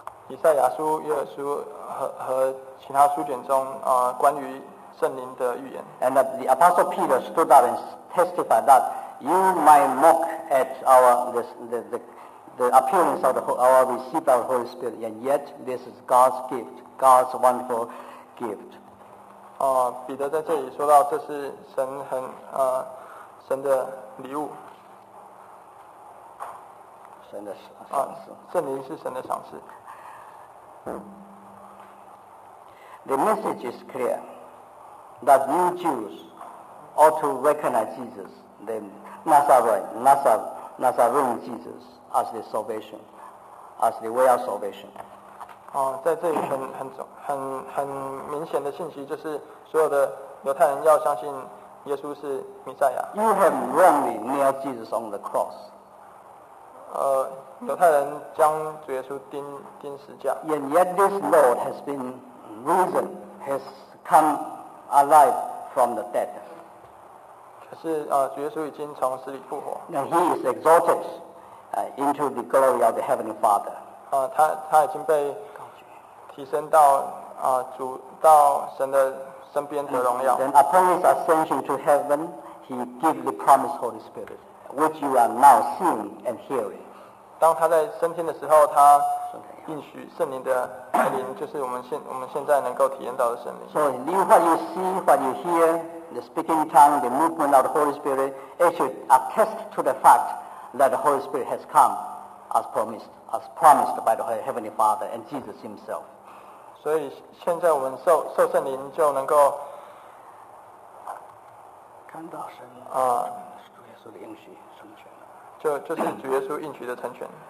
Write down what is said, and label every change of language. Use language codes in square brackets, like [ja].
[zh] 以赛亚书、约珥书和其他书卷中关于圣灵的预言。 [en] And the Apostle Peter stood up and testified that you might mock at the appearance of our receipt of the Holy Spirit, and yet this is God's gift, God's wonderful gift. [zh] 彼得在这里说到这是神很神的礼物。神的赏赐。圣灵是神的赏赐。 [en] The message is clear. That you Jews ought to recognize Jesus, the Nazarene Jesus, as the salvation, as the way of salvation. [zh] 在这里很明显的信息就是，所有的犹太人要相信耶稣是弥赛亚。 [en] You have wrongly nailed Jesus on the cross. [zh] 犹太人将主耶稣钉十字架。 [en] And yet this Lord has been risen, has come. Alive from the dead. [zh] 可是主耶稣已经从死里复活。 [en] Now he is exalted into the glory of the heavenly Father. [zh] 他已经被提升到主到神的身边的荣耀。 [en] Then upon his ascension to heaven, he gave the promised Holy Spirit, which you are now seeing and hearing. [zh] 当他在升天的时候，他应许圣灵的圣灵，就是我们现在能够体验到的圣灵。 [en] So what you see, what you hear, the speaking tongue, the movement of the Holy Spirit, it should attest to the fact that the Holy Spirit has come as promised by the Heavenly Father and Jesus Himself. [zh] 所以现在我们受圣灵就能够看到神主耶稣的应许成全了，就是主耶稣应许的成全。